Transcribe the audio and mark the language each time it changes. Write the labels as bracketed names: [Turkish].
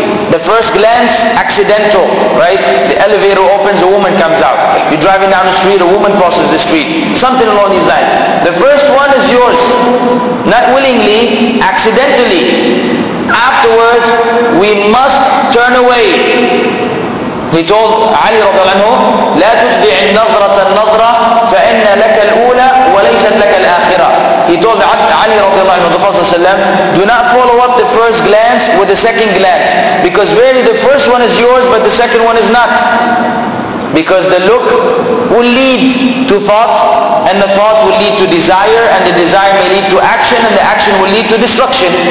[English] The first glance, accidental, right? The elevator opens, a woman comes out. You're driving down the street, a woman crosses the street. Something along these lines. The first one is yours. Not willingly, accidentally. Afterwards, we must turn away. He told Ali radiallahu anhu, [Arabic] لا تتبع النظرة النظرة فإن لك الأولى وليست لك الآخرة. [English] He told Ali radiallahu anhu, the Prophet, do not follow up the first glance with the second glance, because really the first one is yours but the second one is not. Because the look will lead to thought, and the thought will lead to desire, and the desire may lead to action, and the action will lead to destruction.